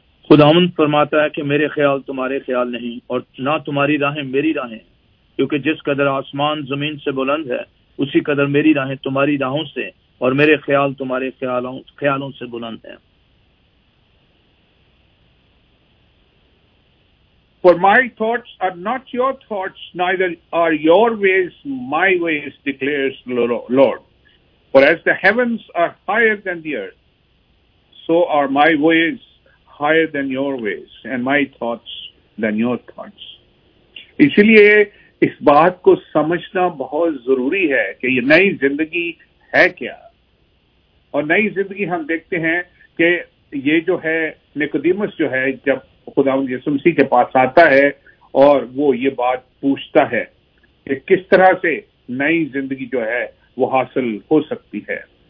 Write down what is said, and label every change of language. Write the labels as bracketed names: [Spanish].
[Hindi] खुदावंद फरमाता है कि मेरे ख्याल तुम्हारे ख्याल नहीं और ना तुम्हारी राहें मेरी राहें, क्योंकि जिस कदर आसमान जमीन से बुलंद है उसी कदर मेरी राहें तुम्हारी राहों से और मेरे ख्याल तुम्हारे ख्यालों से बुलंद है। [English] For my thoughts are not your thoughts, neither are your ways my ways, declares the Lord. For as the heavens are higher than the earth, so are my ways higher than your ways, and my thoughts than your thoughts. [Hindi] इसलिए इस बात को समझना बहुत जरूरी है कि ये नई जिंदगी है क्या। और नई जिंदगी हम देखते हैं कि ये जो है निकोदीमस जो है, जब खुदावंद यीशु मसीह के पास आता है और वो ये बात पूछता है कि किस तरह से नई जिंदगी जो है वो हासिल हो सकती है।